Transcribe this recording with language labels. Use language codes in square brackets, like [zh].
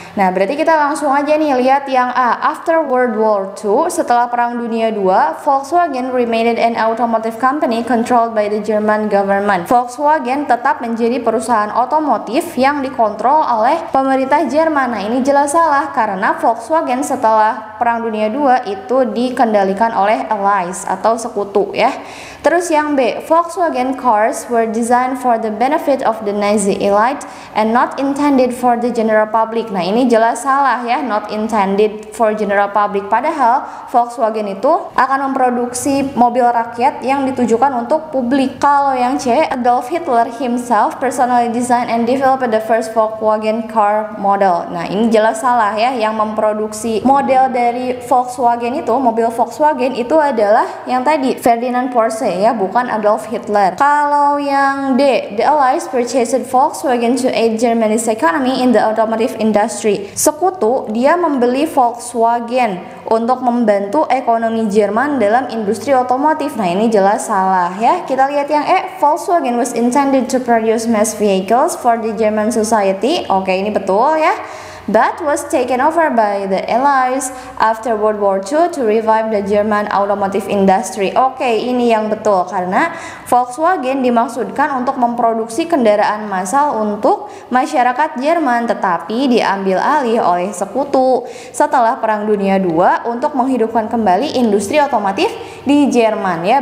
[id] Nah, berarti kita langsung aja nih lihat yang A, [en] after World War II, [id] setelah Perang Dunia II, [en] Volkswagen remained an automotive company controlled by the German government. [id] Volkswagen tetap menjadi perusahaan otomotif yang dikontrol oleh pemerintah Jerman. Nah, ini jelas salah karena Volkswagen setelah Perang Dunia II itu dikendalikan oleh Allies atau sekutu ya. Terus yang B, [en] Volkswagen cars were designed for the benefit of the Nazi elite and not intended for the general public. [id] Nah, ini jelas salah ya, [en] not intended for general public. [id] Padahal Volkswagen itu akan memproduksi mobil rakyat yang ditujukan untuk publik. Kalau yang C, [en] Adolf Hitler himself personally designed and developed the first Volkswagen car model. [id] Nah, ini jelas salah ya, yang memproduksi model dari Volkswagen itu, mobil Volkswagen itu adalah yang tadi, Ferdinand Porsche ya, bukan Adolf Hitler. Kalau yang D, [en] the Allies purchased Volkswagen to aid Germany's economy in the automotive industry. [id] Sekutu dia membeli Volkswagen untuk membantu ekonomi Jerman dalam industri otomotif. Nah, ini jelas salah ya. Kita lihat yang E, [en] Volkswagen was intended to produce mass vehicles for the German society. [id] Oke, ini betul ya. [en] But was taken over by the Allies after World War II to revive the German automotive industry. [id] Oke, ini yang betul karena Volkswagen dimaksudkan untuk memproduksi kendaraan massal untuk masyarakat Jerman, tetapi diambil alih oleh sekutu setelah Perang Dunia II untuk menghidupkan kembali industri otomotif di Jerman ya.